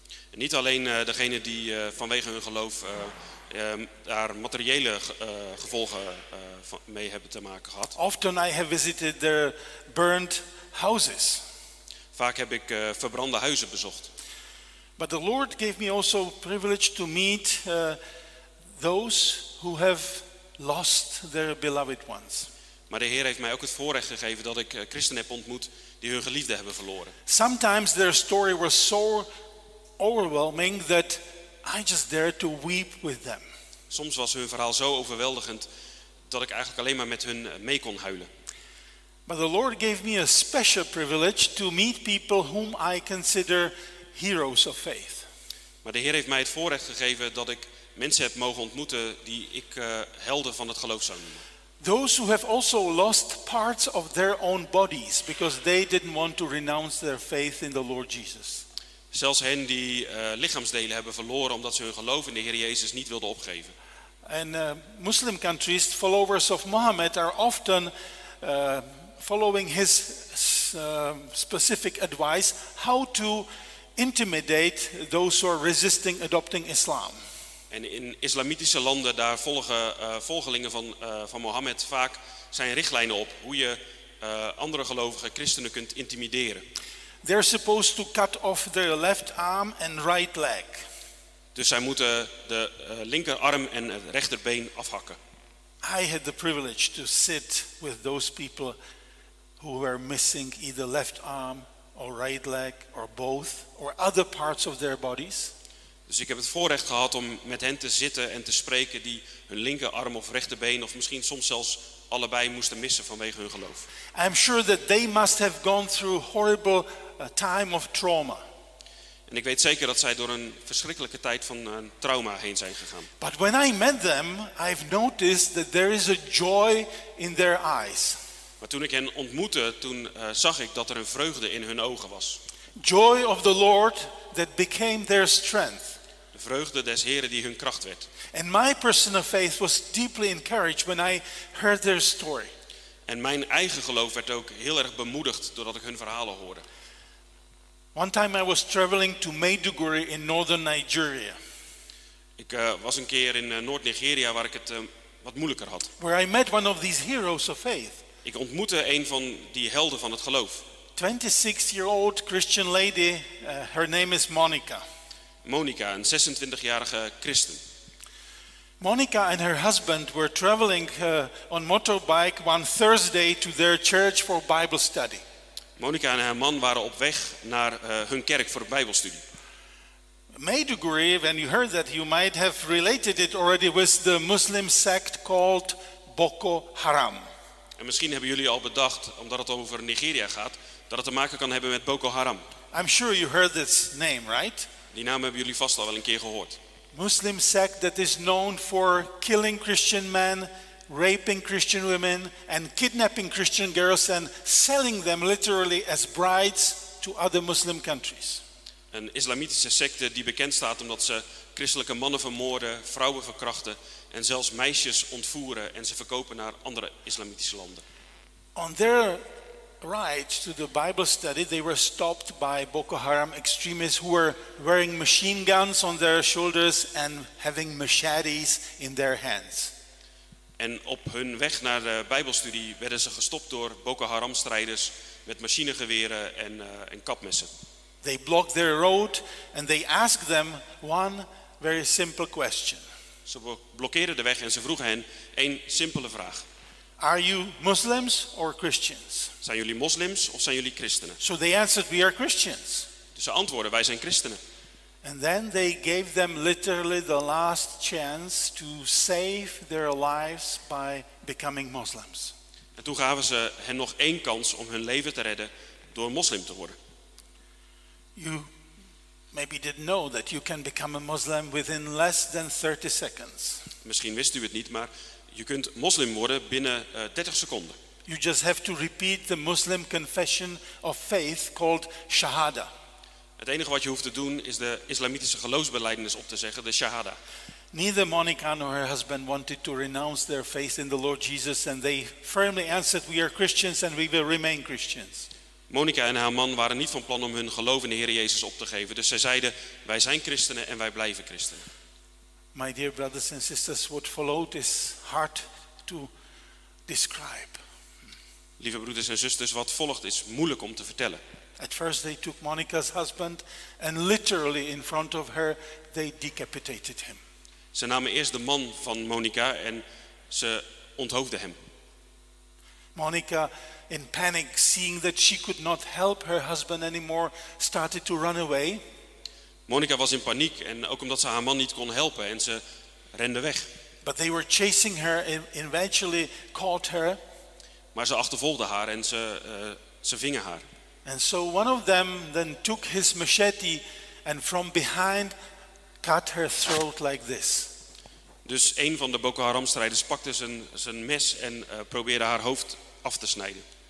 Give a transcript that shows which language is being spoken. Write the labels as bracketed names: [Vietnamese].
[Dutch] En niet alleen degene die vanwege hun geloof daar materiële gevolgen mee hebben te maken gehad. [English] Often I have visited their burned houses. [Dutch] Vaak heb ik verbrande huizen bezocht. [English] But the Lord gave me also privilege to meet those who have lost their beloved ones. [Dutch] Maar de Heer heeft mij ook het voorrecht gegeven dat ik christenen heb ontmoet die hun geliefden hebben verloren. [English] Sometimes their story was so overwhelming that I just dared to weep with them. [Dutch] Soms was hun verhaal zo overweldigend dat ik eigenlijk alleen maar met hun mee kon huilen. [English] But the Lord gave me a special privilege to meet people whom I consider heroes of faith. [Dutch] Maar de Heer heeft mij het voorrecht gegeven dat ik mensen heb mogen ontmoeten die ik helden van het geloof zou noemen. [English] Those who have also lost parts of their own bodies because they didn't want to renounce their faith in the Lord Jesus. [Dutch] Zelfs hen die lichaamsdelen hebben verloren omdat ze hun geloof in de Heer Jezus niet wilden opgeven. [English] And Muslim countries, followers of Muhammad are often following his specific advice how to intimidate those who are resisting adopting Islam. [Dutch] En in islamitische landen, daar volgen volgelingen van Mohammed vaak zijn richtlijnen op hoe je andere gelovige christenen kunt intimideren. [English] They're supposed to cut off their left arm and right leg. [Dutch] Dus zij moeten de linkerarm en het rechterbeen afhakken. [English] I had the privilege to sit with those people who were missing either left arm or right leg or both or other parts of their bodies. [Dutch] Dus ik heb het voorrecht gehad om met hen te zitten en te spreken die hun linkerarm of rechterbeen of misschien soms zelfs allebei moesten missen vanwege hun geloof. [English] I'm sure that they must have gone through a horrible time of trauma. [Dutch] En ik weet zeker dat zij door een verschrikkelijke tijd van een trauma heen zijn gegaan. [English] But when I met them, I've noticed that there is a joy in their eyes. [Dutch] Maar toen ik hen ontmoette, toen zag ik dat er een vreugde in hun ogen was. [English] Joy of the Lord that became their strength. [Dutch] De vreugde des Heren die hun kracht werd. [English] And my personal faith was deeply encouraged when I heard their story. [Dutch] En mijn eigen geloof werd ook heel erg bemoedigd doordat ik hun verhalen hoorde. [English] One time I was traveling to Maiduguri in northern Nigeria. [Dutch] Ik was een keer in Noord-Nigeria waar ik het wat moeilijker had. [English] Where I met one of these heroes of faith. [Dutch] Ik ontmoette een van die helden van het geloof. [English] 26-year-old Christian lady, her name is Monica. [Dutch] Monica, een 26-jarige christen. [English] Monica and her husband were traveling on motorbike one Thursday to their church for Bible study. [Dutch] Monica en haar man waren op weg naar hun kerk voor Bijbelstudie. [English] Maiduguri, when you heard that, you might have related it already with the Muslim sect called Boko Haram. [Dutch] En misschien hebben jullie al bedacht, omdat het over Nigeria gaat, dat het te maken kan hebben met Boko Haram. [English] I'm sure you heard this name, right? [Dutch] Die naam hebben jullie vast al wel een keer gehoord. [English] Muslim sect that is known for killing Christian men, raping Christian women and kidnapping Christian girls and selling them literally as brides to other Muslim countries. [Dutch] Een islamitische secte die bekend staat omdat ze christelijke mannen vermoorden, vrouwen verkrachten en zelfs meisjes ontvoeren en ze verkopen naar andere islamitische landen. [English] On their ride to the Bible study, they were stopped by Boko Haram extremists who were wearing machine guns on their shoulders and having machetes in their hands. [Dutch] En op hun weg naar de Bijbelstudie werden ze gestopt door Boko Haram strijders met machinegeweren en kapmessen. [English] They blocked their road and they asked them one very simple question. [Dutch] Ze blokkeerden de weg en ze vroegen hen één simpele vraag. [English] Are you Muslims or Christians? [Dutch] Zijn jullie moslims of zijn jullie christenen? [English] So they answered, we are Christians. [Dutch] Dus ze antwoordden, wij zijn christenen. [English] And then they gave them literally the last chance to save their lives by becoming Muslims. [Dutch] En toen gaven ze hen nog één kans om hun leven te redden door moslim te worden. [English] You maybe didn't know that you can become a Muslim within less than 30 seconds. [Dutch] Misschien wist u het niet, maar je kunt moslim worden binnen 30 seconden. [English] You just have to repeat the Muslim confession of faith called Shahada. [Dutch] Het enige wat je hoeft te doen is de islamitische geloofsbelijdenis op te zeggen, de Shahada. [English] Neither Monica nor her husband wanted to renounce their faith in the Lord Jesus and they firmly answered, we are Christians and we will remain Christians. [Dutch] Monica en haar man waren niet van plan om hun geloof in de Heer Jezus op te geven, dus zij zeiden, wij zijn christenen en wij blijven christenen. [English] My dear brothers and sisters, what followed is hard to describe. [Dutch] Lieve broeders en zusters, wat volgt is moeilijk om te vertellen. [English] At first they took Monica's husband and literally in front of her they decapitated him. [Dutch] Ze namen eerst de man van Monica en ze onthoofden hem. [English] Monica, in panic, seeing that she could not help her husband anymore, started to run away. [Dutch] Monica was in paniek en ook omdat ze haar man niet kon helpen en ze rende weg. [English] But they were chasing her and eventually caught her. [Dutch] Maar ze achtervolgden haar en ze vingen haar. [English] And so one of them then took his machete and from behind cut her throat like this. [Dutch] Dus een van de Boko Haram strijders pakte zijn mes en probeerde haar hoofd af te snijden.